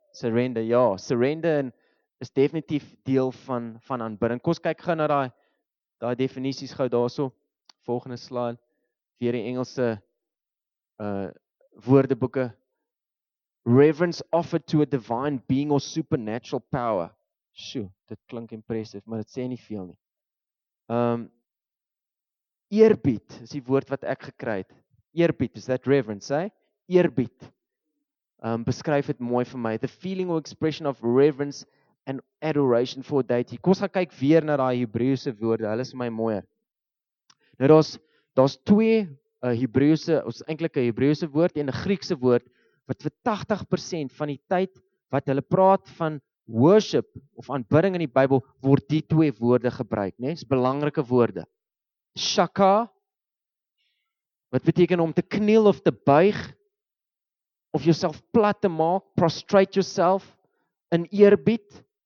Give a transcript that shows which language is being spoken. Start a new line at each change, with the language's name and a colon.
Afrikaans: Surrender, ja, surrender en is definitief deel van aanbidding. Kom ons kyk gou na daai definisies gou daarso. Volgende slide. Weer die Engelse woordeboeke.
English: Reverence offered to a divine being or supernatural power.
Afrikaans: Sjoe, dit klink impressive, maar dit sê nie veel nie. Eerbied is die woord wat ek gekry het. Eerbied,
English: is that reverence, hey?
Afrikaans: Eerbied. Beskryf dit mooi vir my.
English: The feeling or expression of reverence and adoration for deity.
Afrikaans: Kom ons gaan kyk weer na daai Hebreëse woorde. Hulle is my mooier. Nou daar's twee Hebreëse, ons eintlik 'n Hebreëse woord en 'n Griekse woord wat vir 80% van die tyd wat hulle praat van worship of aanbidding in die Bybel word die twee woorde gebruik, né? Dis belangrike woorde. Shaka, wat beteken om te kniel of te buig of jouself plat te maak,
English: prostrate yourself
Afrikaans: in eerbied.